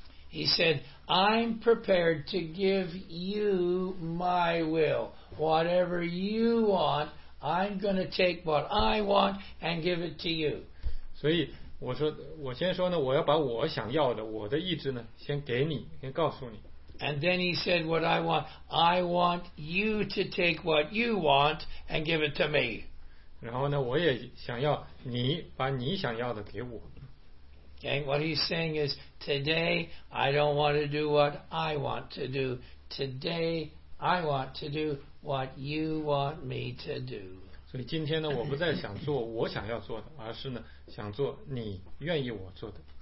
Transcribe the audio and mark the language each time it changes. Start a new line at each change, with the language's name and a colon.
English: He said, I'm prepared to give you my will. Whatever you want, I'm going to take what I want and give it to you.
Chinese: 所以我说，我先说呢，我要把我想要的，我的意志呢，先给你，先告诉你。
English: And then he said, what I want you to take what you want and give it to me.
Chinese: 然后呢, 我也想要你把你想要的给我。
English: Okay, what he's saying is, today I don't want to do what I want to do. Today I want to do what you want me to do.
Chinese: 所以今天呢, 我不再想做我想要做的, 而是呢, 想做你愿意我做的。